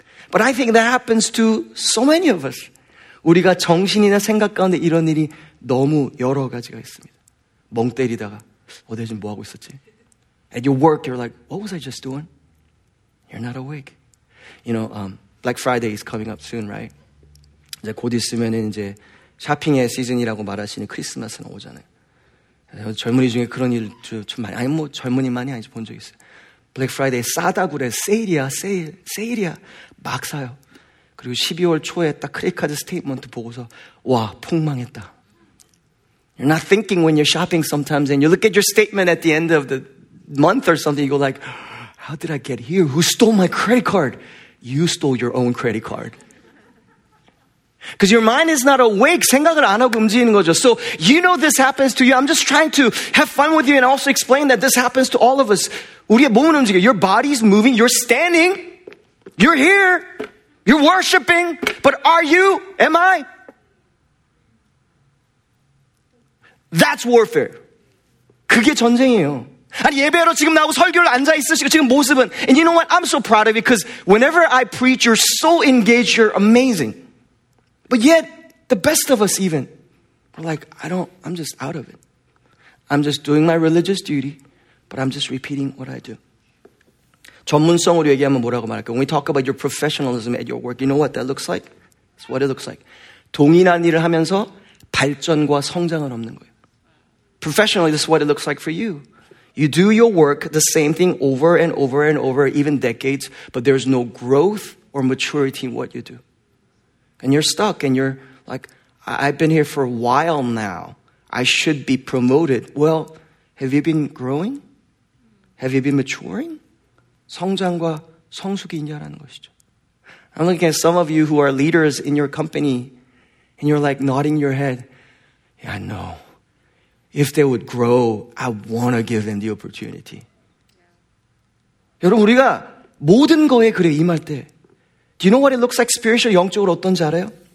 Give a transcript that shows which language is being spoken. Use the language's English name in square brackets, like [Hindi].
[English] But I think that happens to so many of us. [Korean] 우리가 정신이나 생각 가운데 이런 일이 너무 여러 가지가 있습니다. 멍 때리다가 어디 지금 뭐 하고 있었지? [English] At your work, you're like, what was I just doing? You're not awake. You know, Black Friday is coming up soon, right? [Korean] 이제 곧 있으면 이제 샤핑의 시즌이라고 말하시는 크리스마스는 오잖아요. 젊은이 중에 그런 일 좀 많이, 아니 뭐 젊은이 많이 아니지 본 적 있어요. 블랙 프라이데이 싸다고 그래. 세일이야, 세일, 세일이야. 막 사요. 그리고 12월 초에 딱 크레딧카드 스테이트먼트 보고서, 와, 폭망했다. [English] You're not thinking when you're shopping sometimes and you look at your statement at the end of the month or something. You go like, how did I get here? Who stole my credit card? You stole your own credit card. Because your mind is not awake. [Korean] 생각을 안 하고 움직이는 거죠. [English] So you know this happens to you. I'm just trying to have fun with you and also explain that this happens to all of us. [Korean] 우리의 몸은 움직여. [English] Your body's moving. You're standing. You're here. You're worshiping. But are you? Am I? That's warfare. [Korean] 그게 전쟁이에요. 아니 예배로 지금 나오고 설교를 앉아 있으시고 지금 모습은. [English] And you know what? I'm so proud of you because whenever I preach, you're so engaged. You're amazing. But yet, the best of us even, we're like, I'm just out of it. I'm just doing my religious duty, but I'm just repeating what I do. [Korean] 전문성으로 얘기하면 뭐라고 말할까? [English] When we talk about your professionalism at your work, you know what that looks like? It's what it looks like. [Korean] 동일한 일을 하면서 발전과 성장을 얻는 거예요. [English] Professionally, this is what it looks like for you. You do your work, the same thing over and over and over, even decades, but there's no growth or maturity in what you do. And you're stuck and you're like, I've been here for a while now. I should be promoted. Well, have you been growing? Have you been maturing? [Korean] 성장과 성숙이 있냐라는 것이죠. [English] I'm looking at some of you who are leaders in your company and you're like nodding your head. Yeah, I know. If they would grow, I want to give them the opportunity. Yeah. [Korean] 여러분, 우리가 모든 거에 그래 임할 때 [English] Do you know what it looks like spiritually, [Korean] 영적으로 어떤지 알아요?